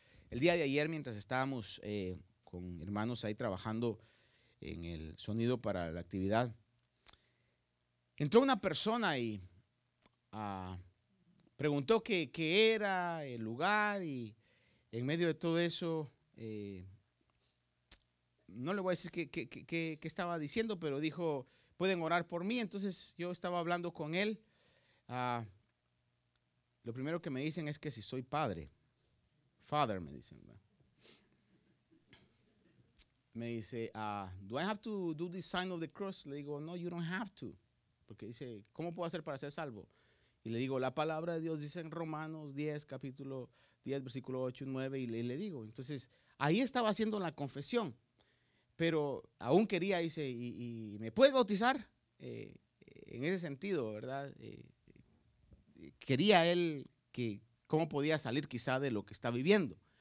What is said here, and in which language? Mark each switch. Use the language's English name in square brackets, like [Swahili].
[Spanish] El día de ayer, mientras estábamos con hermanos ahí trabajando en el sonido para la actividad, entró una persona y preguntó qué era el lugar, y en medio de todo eso, no le voy a decir qué estaba diciendo, pero dijo, pueden orar por mí. Entonces yo estaba hablando con él. Lo primero que me dicen es que si soy padre. Father, me dicen. Me dice, [English] do I have to do the sign of the cross? [Spanish] Le digo, no, [English] you don't have to. [Spanish] Porque dice, ¿cómo puedo hacer para ser salvo? Y le digo, la palabra de Dios dice en Romanos 10, capítulo 10, versículo 8 y 9. Y le digo, entonces, ahí estaba haciendo la confesión. Pero aún quería, dice, ¿y me puede bautizar? En ese sentido, ¿verdad? Quería él que cómo podía salir quizá de lo que está viviendo.